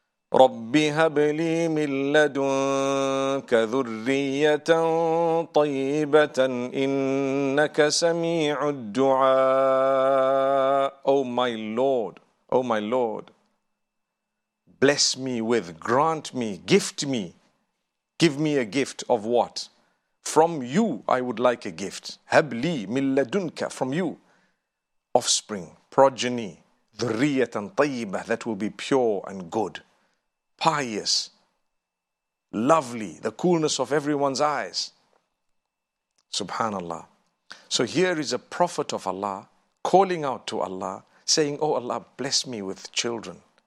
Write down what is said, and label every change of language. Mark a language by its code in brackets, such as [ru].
[ar] رَبِّ هَبْ لِي مِنْ لَدُنْكَ ذُرِّيَّةً طَيِّبَةً إِنَّكَ سَمِيعُ الدُّعَاءِ. [en] Oh my Lord, oh my Lord, bless me with, grant me, gift me. Give me a gift of what? From you I would like a gift. [ar] هَبْ لِي مِنْ لَدُنْكَ, [en] from you. Offspring, progeny, [ar] ذُرِّيَّةً طَيِّبَةً, [en] that will be pure and good. Pious, lovely, the coolness of everyone's eyes. Subhanallah. So here is a prophet of Allah calling out to Allah, saying, oh Allah, bless me with children.